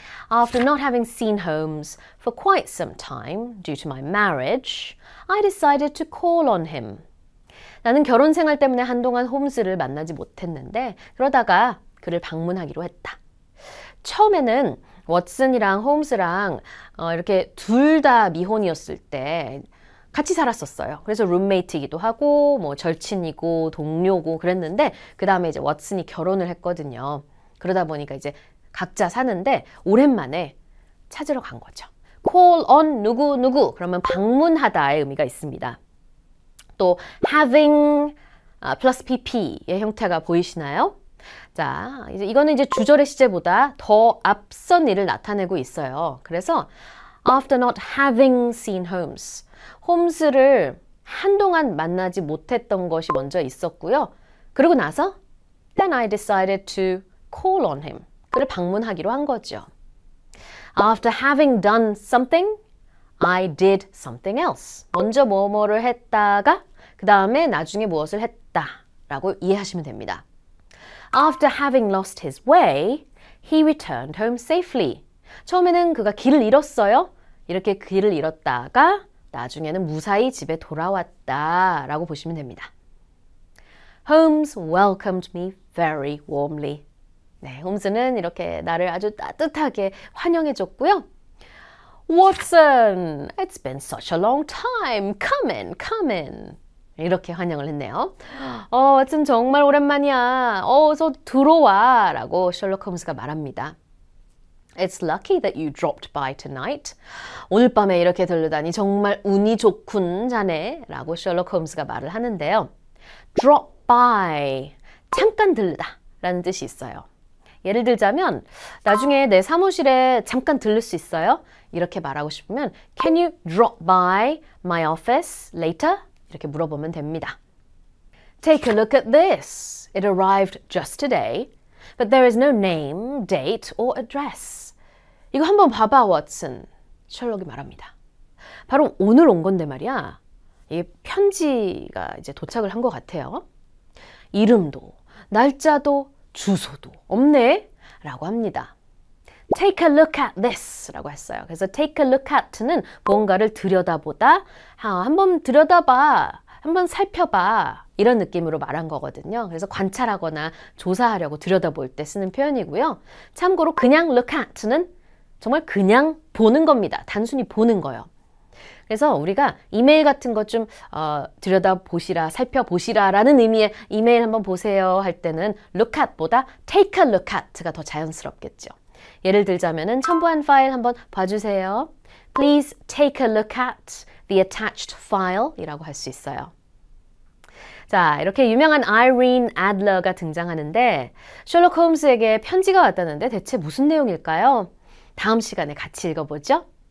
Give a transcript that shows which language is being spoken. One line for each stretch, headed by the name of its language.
English: After not having seen Holmes for quite some time due to my marriage, I decided to call on him.
Korean: 나는 결혼 생활 때문에 한동안 홈즈를 만나지 못했는데 그러다가 그를 방문하기로 했다. 처음에는 워슨이랑 홈즈랑 이렇게 둘 다 미혼이었을 때 같이 살았었어요. 그래서 룸메이트이기도 하고 뭐 절친이고 동료고 그랬는데 그 다음에 이제 워슨이 결혼을 했거든요. 그러다 보니까 이제 각자 사는데 오랜만에 찾으러 간 거죠. Call on 누구누구 그러면 방문하다의 의미가 있습니다. 또 having plus pp의 형태가 보이시나요? 자, 이제 이거는 이제 주절의 시제보다 더 앞선 일을 나타내고 있어요. 그래서
English: after not having seen Holmes,
Korean: 홈스를 한동안 만나지 못했던 것이 먼저 있었고요. 그러고 나서
English: then I decided to call on him.
Korean: 그를 방문하기로 한 거죠.
English: After having done something, I did something else.
Korean: 먼저 뭐뭐를 했다가 그 다음에 나중에 무엇을 했다라고 이해하시면 됩니다.
English: After having lost his way, he returned home safely.
Korean: 처음에는 그가 길을 잃었어요. 이렇게 길을 잃었다가 나중에는 무사히 집에 돌아왔다라고 보시면 됩니다.
English: Holmes welcomed me very warmly.
Korean: 네, 홈즈는 이렇게 나를 아주 따뜻하게 환영해줬고요.
English: Watson, it's been such a long time. Come in, come in.
Korean: 이렇게 환영을 했네요. 워슨 정말 오랜만이야. 어서 들어와 라고 셜록 홈즈가 말합니다.
English: It's lucky that you dropped by tonight.
Korean: 오늘 밤에 이렇게 들르다니 정말 운이 좋군 자네 라고 셜록 홈즈가 말을 하는데요. Drop by, 잠깐 들르다 라는 뜻이 있어요. 예를 들자면 나중에 내 사무실에 잠깐 들를 수 있어요? 이렇게 말하고 싶으면
English: Can you drop by my office later?
Korean: 이렇게 물어보면 됩니다.
English: Take a look at this. It arrived just today. But there is no name, date, or address.
Korean: 이거 한번 봐봐, 워슨. 셜록이 말합니다. 바로 오늘 온 건데 말이야. 이게 편지가 이제 도착을 한 것 같아요. 이름도, 날짜도, 주소도 없네? 라고 합니다.
English: Take a look at this
Korean: 라고 했어요. 그래서 take a look at는 뭔가를 들여다보다 한번 들여다봐, 한번 살펴봐 이런 느낌으로 말한 거거든요. 그래서 관찰하거나 조사하려고 들여다볼 때 쓰는 표현이고요. 참고로 그냥 look at는 정말 그냥 보는 겁니다. 단순히 보는 거예요. 그래서 우리가 이메일 같은 것 좀 들여다보시라, 살펴보시라 라는 의미의 이메일 한번 보세요 할 때는 look at보다 take a look at가 더 자연스럽겠죠. 예를 들자면 첨부한 파일 한번 봐주세요.
English: Please take a look at the attached file
Korean: 이라고 할 수 있어요. 자, 이렇게 유명한 Irene Adler가 등장하는데 셜록 홈즈에게 편지가 왔다는데 대체 무슨 내용일까요? 다음 시간에 같이 읽어보죠.